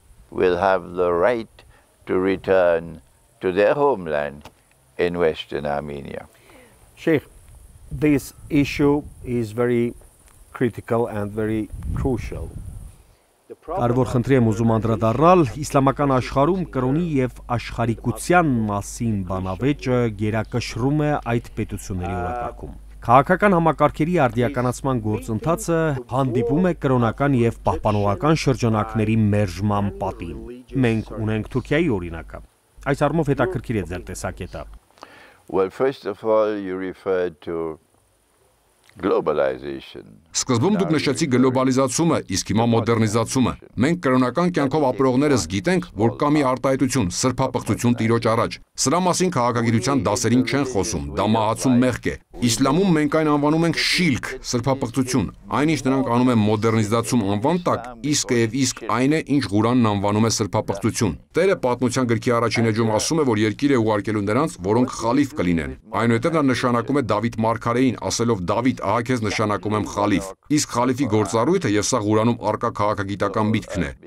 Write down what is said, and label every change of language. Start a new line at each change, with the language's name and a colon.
English: Will have the right to return to their homeland in Western Armenia. Sheikh, this issue is very critical and very crucial.
Armenian: Կարևոր խնդրի եմ ուզում անդրադառնալ, իսլամական աշխարհում կրոնի և աշխարհիկության մասին բանավեճը գերակշռում է այդ պետությունների ուղղակում։ Քաղաքական համակարգերի արդիականացման գործընթացը հանդիպում է կրոնական և պահպանողական շրջանակների մերժման պատին։ Մենք ունենք Թուրքիայի օրինակը։ Այս առումով հետաքրքիր է ձեր տեսակետը։
English: Well, first of all, you referred to globalization.
Armenian: Սկզբում դուք նշեցիք գլոբալիզացումը, իսկ հիմա մոդեռնիզացումը։ Մենք կրոնական կյանքով ապրողներս գիտենք, որ կա մի արտահայտություն, սրբապղծություն տիրոջ առաջ։ Սրա մասին քաղաքագիտության դասերին չեն խոսում, դա մահացու մեղք է։ Իսլամում մենք այն անվանում ենք շիլք, սրբապղծություն, այնինչ նրանք անում են մոդեռնիզացում անվան տակ, իսկ եւ իսկ այն է, ինչ Ղուրանն անվանում է սրբապղծություն։ Տերը պատմության գրքի առաջին էջում ասում է, որ երկիրը ուղարկելու նրանց, որոնք խալիֆ կլինեն։ Այնուհետև նա նշանակում է Դավիթ Մարգարեին, ասելով Դավիթ, ահա քեզ նշանակում եմ խալիֆ։ Իսկ խալիֆի գործառույթը եւ սա Ղուրանում առկա քաղաքագիտական միտքն է։